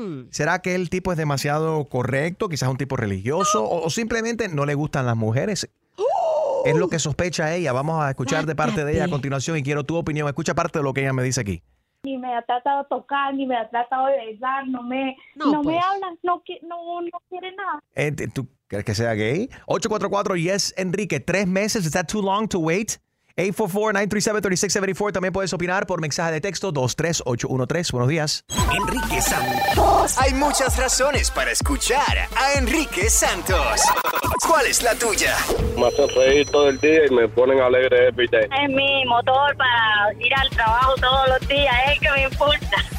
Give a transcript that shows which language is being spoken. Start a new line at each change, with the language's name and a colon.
Spanish: ¿Será que el tipo es demasiado correcto, quizás un tipo religioso o simplemente no le gustan las mujeres? Es lo que sospecha ella. Vamos a escuchar de parte de ella a continuación y quiero tu opinión. Escucha parte de lo que ella me dice aquí. Ni me ha tratado de tocar, ni me ha tratado de besar, no me habla, no quiere nada. ¿Tú crees que sea gay?
English: 844-YES-ENRIQUE,
Spanish: 3 meses,
English: is that too long to wait?
Spanish: 844-937-3674, también puedes opinar por mensaje de texto 23813, buenos días. Enrique Santos. Hay muchas razones para escuchar a Enrique Santos. ¿Cuál es la tuya? Me hacen reír todo el día y me ponen alegre. Es mi motor para ir al trabajo todos los días, es que me importa.